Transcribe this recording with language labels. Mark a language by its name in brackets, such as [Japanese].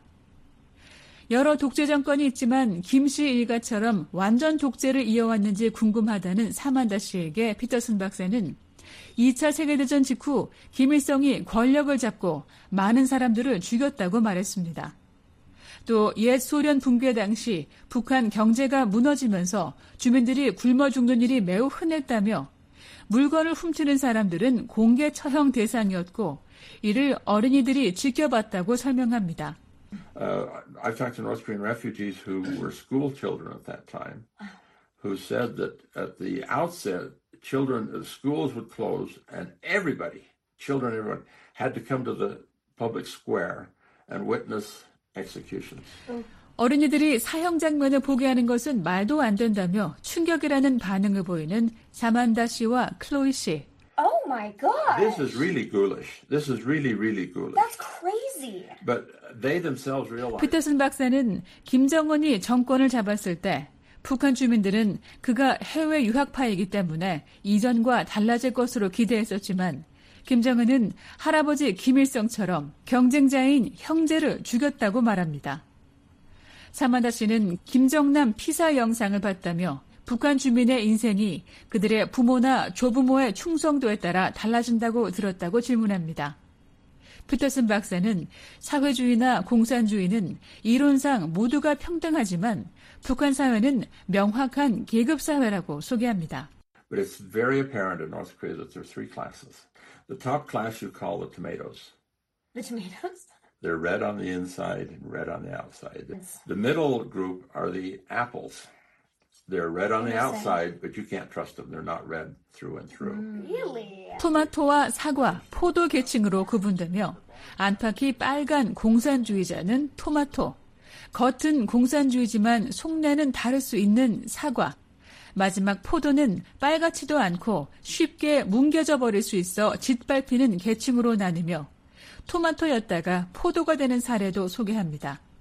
[Korean] 여러 독재 정권이 있지만 김 씨 일가처럼 완전 독재를 이어왔는지 궁금하다는 사만다 씨에게 피터슨 박사는 2차 세계대전 직후 김일성이 권력을 잡고 많은 사람들을 죽였다고 말했습니다. 또 옛 소련 붕괴 당시 북한 경제가 무너지면서 주민들이 굶어 죽는 일이 매우 흔했다며 물건을 훔치는 사람들은 공개 처형 대상이었고 이를 어린이들이 지켜봤다고 설명합니다. [English] I've talked to North Korean refugees who were school children at that time who said that at the outset children of schools would close and everybody, children everyone had to come to the public square and witness executions. [Korean] 어린이들이 사형 장면을 보게 하는 것은 말도 안 된다며 충격이라는 반응을 보이는 사만다 씨와 클로이 씨. [English] Oh my god. This is really ghoulish. This is really really ghoulish. That's crazy. But they themselves realized. [Korean] 피터슨 박사는 김정은이 정권을 잡았을 때 북한 주민들은 그가 해외 유학파이기 때문에 이전과 달라질 것으로 기대했었지만 김정은은 할아버지 김일성처럼 경쟁자인 형제를 죽였다고 말합니다. 사만다 씨는 김정남 피사 영상을 봤다며 북한 주민의 인생이 그들의 부모나 조부모의 충성도에 따라 달라진다고 들었다고 질문합니다. 피터슨 박사는 사회주의나 공산주의는 이론상 모두가 평등하지만 북한 사회는 명확한 계급 사회라고 소개합니다. [English] But it's very apparent in North Korea that there are three classes. The top class you call the tomatoes. The tomatoes? They're red on the inside and red on the outside. The middle group are the apples. They're red on the outside, but you can't trust them. They're not red through and through. Really? [Korean] 토마토와 사과, 포도 계층으로 구분되며 안팎이 빨간 공산주의자는 토마토, 겉은 공산주의지만 속내는 다를 수 있는 사과, 마지막 포도는 빨갛지도 않고 쉽게 뭉겨져 버릴 수 있어 짓밟히는 계층으로 나누며 토마토였다가 포도가 되는 사례도 소개합니다.